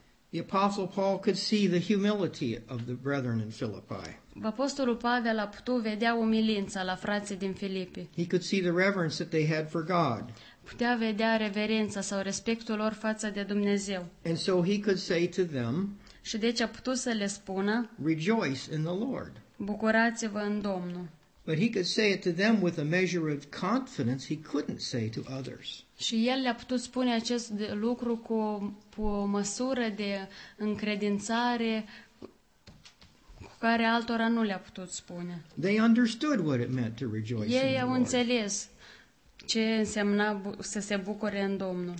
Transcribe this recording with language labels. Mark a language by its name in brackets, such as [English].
[English] The apostle Paul could see the humility of the brethren in Philippi. [Romanian] Apostolul Pavel a putut vedea umilința la frații din Filipi. [English] He could see the reverence that they had for God. [Romanian] Putea vedea reverența sau respectul lor față de Dumnezeu. [English] And so he could say to them, [Romanian] și deci a putut să le spună, [English] rejoice in the Lord. [Romanian] Bucurați-vă în Domnul. [English] But he could say it to them with a measure of confidence he couldn't say to others. [Romanian] Și el le-a putut spune acest lucru cu o măsură de încredințare cu care altora nu le-a putut spune. [English] They understood what it meant to rejoice in the Lord. [Romanian] Ei au înțeles ce însemna să se bucure în Domnul.